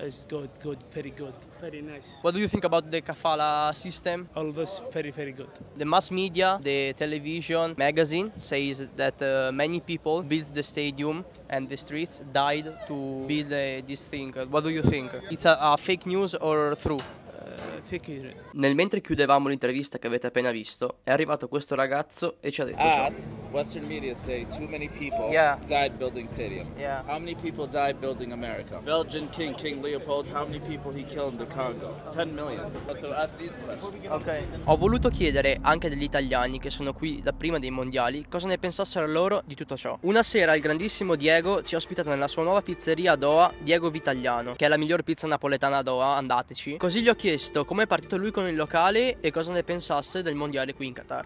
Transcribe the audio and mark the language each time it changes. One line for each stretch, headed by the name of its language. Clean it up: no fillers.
English: It's good, very good, very nice. What do you think about the kafala system? All this very, very good. The mass media, the television, magazine says that many people built the stadium and the streets died to build this thing. What do you think? It's a fake news or true?
Italian: Nel mentre chiudevamo l'intervista che avete appena visto, è arrivato questo ragazzo e ci ha detto ciao.
English: Western media say too many people died building stadium. How many people died building America? Belgian king, King Leopold, how many people he killed in the Congo? 10 million. So ask these questions. Okay.
Italian: Ho voluto chiedere anche degli italiani che sono qui da prima dei mondiali cosa ne pensassero loro di tutto ciò. Una sera il grandissimo Diego ci ha ospitato nella sua nuova pizzeria a Doha, Diego Vitagliano, che è la miglior pizza napoletana a Doha, andateci. Così gli ho chiesto come è partito lui con il locale e cosa ne pensasse del mondiale qui in Qatar.